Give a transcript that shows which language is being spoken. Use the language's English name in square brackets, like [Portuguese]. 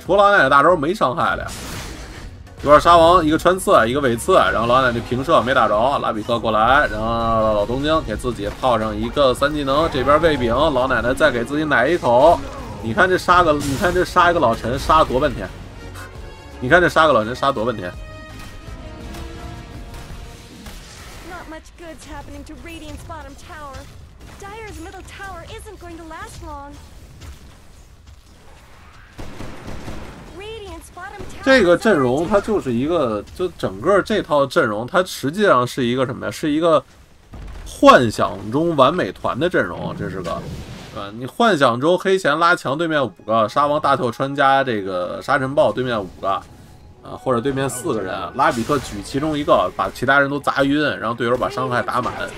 [Chinese] 除了老奶奶大招没伤害的呀。一块沙王，一个穿刺，一个尾刺，然后老奶奶平射没打着，拉比克过来，然后老东京给自己套上一个三技能，这边喂饼，老奶奶再给自己奶一口。你看这杀一个老陈杀多半天，你看这杀个老陈杀多半天。 [English] Not much good's happening to Radiant's bottom tower. Dire's middle tower isn't going to last long. Radiant's bottom tower. [Chinese] 这个阵容它就是一个，就整个这套阵容，它实际上是一个什么呀？是一个幻想中完美团的阵容，这是个，对吧？你幻想中黑弦拉墙对面五个，沙王大跳穿加这个沙尘暴对面五个，啊，或者对面四个人，拉比克举其中一个，把其他人都砸晕，让队友把伤害打满。